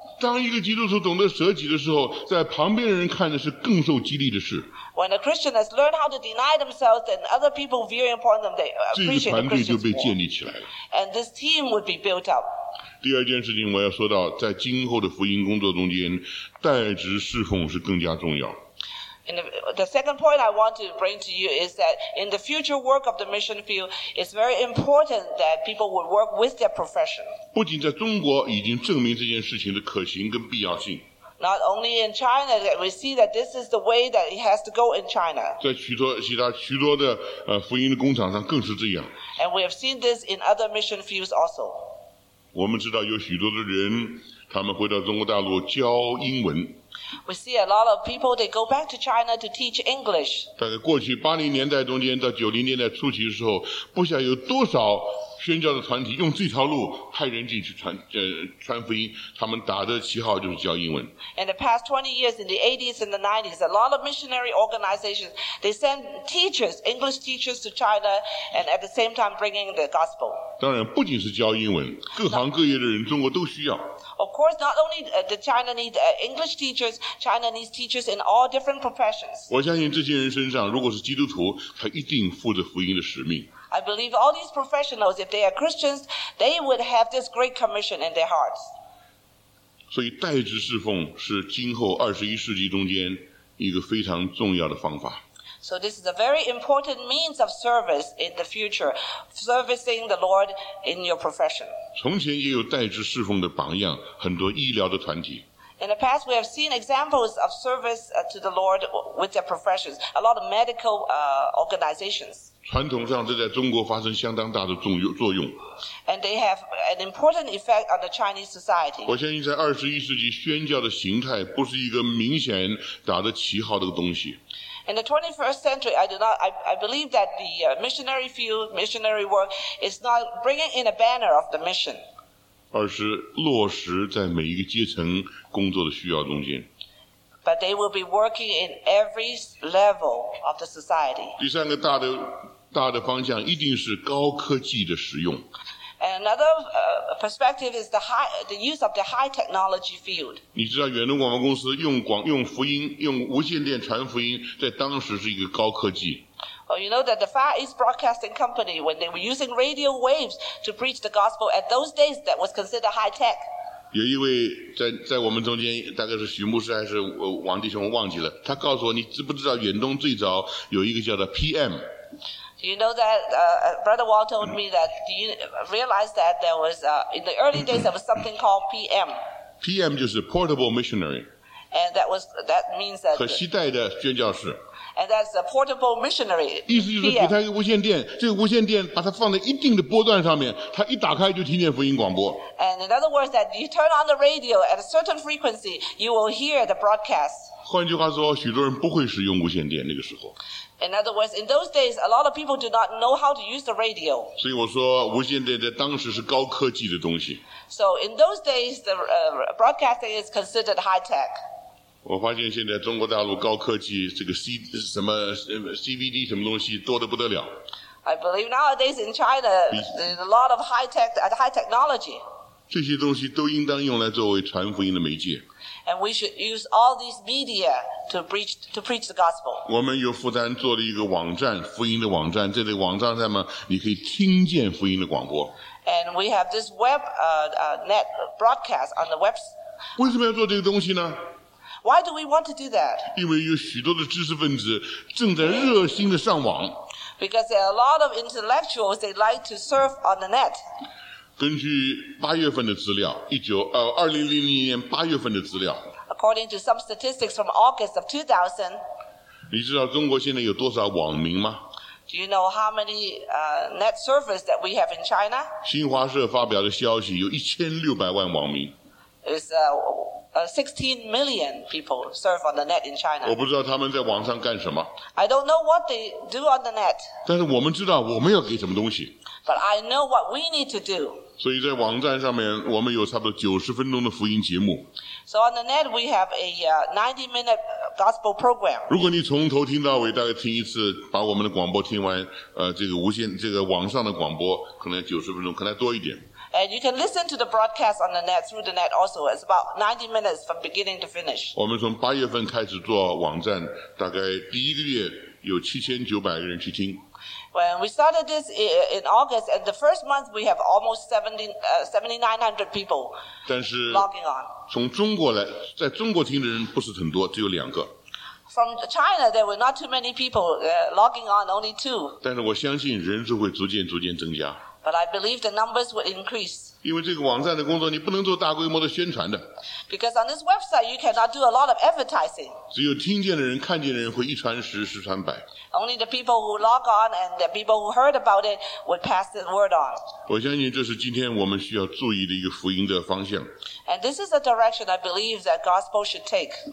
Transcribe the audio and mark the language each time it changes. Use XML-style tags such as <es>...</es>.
<zh>当一个基督徒懂得舍己的时候，在旁边的人看的是更受激励的事。</zh> <en>When a Christian has learned how to deny themselves, then other people veering upon them, they appreciate the Christians more.</en> <zh>这个团队就被建立起来了。</zh> <en>And this team would be built up.</en> <zh>第二件事情我要说到，在今后的福音工作中间，代职侍奉是更加重要。</zh> <en>The second point I want to bring to you is that in the future work of the mission field, it's very important that people would work with their profession.</en> <zh>不仅在中国已经证明这件事情的可行跟必要性。</zh> <en>Not only in China, we see that this is the way that it has to go in China.</en> <zh>在许多的福音的工厂上更是这样。</zh> <en>And we have seen this in other mission fields also.</en> <zh>我们知道有许多的人，他们回到中国大陆教英文。</zh> <en>We see a lot of people, they go back to China to teach English.</en> <zh>大概过去80年代中间到90年代初期的时候，不晓得有多少宣教的团体用这条路派人进去传福音，他们打的旗号就是教英文。</zh> <en>In the past 20 years, in the 80s and the 90s, a lot of missionary organizations, they send teachers, English teachers to China, and at the same time bringing the gospel.</en> <zh>当然不仅是教英文，各行各业的人中国都需要。</zh> <en>Of course, not only the China needs English teachers, China needs teachers in all different professions.</en> <zh>我相信这些人身上，如果是基督徒，他一定负着福音的使命。</zh> <en>I believe all these professionals, if they are Christians, they would have this great commission in their hearts.</en> <zh>所以代职侍奉是今后21世纪中间一个非常重要的方法。</zh> <en>So this is a very important means of service in the future, servicing the Lord in your profession.</en> <zh>从前也有代职侍奉的榜样，很多医疗的团体。</zh> <en>In the past, we have seen examples of service to the Lord with their professions, a lot of medical organizations.</en> <zh>传统上，这在中国发生相当大的作用。</zh> <en>And they have an important effect on the Chinese society.</en> <zh>我相信在21世纪，宣教的形态不是一个明显打着旗号的东西。</zh> <en>In the 21st century, I believe that the missionary field, missionary work is not bringing in a banner of the mission.</en> <zh>而是落实在每一个阶层工作的需要中间。</zh> <en>But they will be working in every level of the society.</en> <zh>第三个大的方向一定是高科技的使用。</zh> <en>And another perspective is the use of the high technology field.</en> <zh>你知道远东广播公司用福音用无线电传福音在当时是一个高科技。</zh> <en>Well, you know that the Far East Broadcasting Company, when they were using radio waves to preach the gospel, at those days that was considered high tech.</en> <zh>有一位在我们中间，大概是许牧师还是王弟兄，忘记了。他告诉我，你知不知道远东最早有一个叫做 PM？</zh> <en>You know that Brother Wall told me that. Do you realize that there was in the early days there was something called PM? PM</en> <zh>就是</zh> <en>portable missionary. And that means that.</en> <zh>可携带的宣教士。</zh> <en>And that's a portable missionary.</en> <zh>意思就是给他一个无线电，这个无线电把它放在一定的波段上面，他一打开就听见福音广播。</zh> <en>And in other words, that you turn on the radio at a certain frequency, you will hear the broadcast.</en> <zh>换句话说，许多人不会使用无线电那个时候。</zh> <en>In other words, in those days, a lot of people do not know how to use the radio.</en> <zh>所以我说，无线电在当时是高科技的东西。</zh> <en>So in those days, the broadcasting is considered high tech.</en> <zh>我发现现在中国大陆高科技这个 CVD 什么东西多得不得了。</zh> <en>I believe nowadays in China, there's a lot of high technology.</en> <zh>这些东西都应当用来作为传福音的媒介。</zh> <en>And we should use all these media to preach the gospel.</en> <zh>我们有负担做了一个网站，福音的网站。这类网站上面，你可以听见福音的广播。</zh> <en>And we have this web net broadcast on the web.</en> <zh>为什么要做这个东西呢？</zh> <en>Why do we want to do that?</en> <zh>因为有许多的知识分子正在热心的上网。</zh> <en>Because there are a lot of intellectuals they like to surf on the net.</en> <zh>根据八月份的资料，2000年八月份的资料。</zh> <en>According to some statistics from August of 2000,</en> <zh>你知道中国现在有多少网民吗？</zh> <en>Do you know how many net surfers that we have in China?</en> <zh>新华社发表的消息有1600万网民。</zh> <en>It's 16 million people surf on the net in China.</en> <zh>我不知道他们在网上干什么。</zh> <en>I don't know what they do on the net.</en> <zh>但是我们知道我们要给什么东西。</zh> <en>But I know what we need to do.</en> <zh>所以在网站上面我们有差不多90分钟的福音节目。</zh> <en>So on the net, we have a 90-minute gospel program.</en> <zh>如果你从头听到尾，大概听一次，把我们的广播听完，这个无线，这个网上的广播，可能90分钟，可能多一点。</zh> <en>And you can listen to the broadcast on the net through the net also. It's about 90 minutes from beginning to finish.</en> <zh>我们从八月份开始做网站，大概第一个月有7900个人去听。</zh> <en>When we started this in August, and the first month we have almost 7900 people logging on.</en> <zh>从中国来，在中国听的人不是很多，只有两个。</zh> <en>From China, there were not too many people logging on, only two.</en> <zh>但是我相信人数会逐渐增加。</zh> <en>But I believe the numbers would increase.</en> <zh>因为这个网站的工作，你不能做大规模的宣传的。</zh> <en>Because on this website, you cannot do a lot of advertising.</en> <zh>只有听见的人、看见的人会一传十、十传百。</zh> <en>Only the people who log on and the people who heard about it would pass the word on.</en> <zh>我相信这是今天我们需要注意的一个福音的方向。</zh> <en>And this is a direction I believe that gospel should take.</en>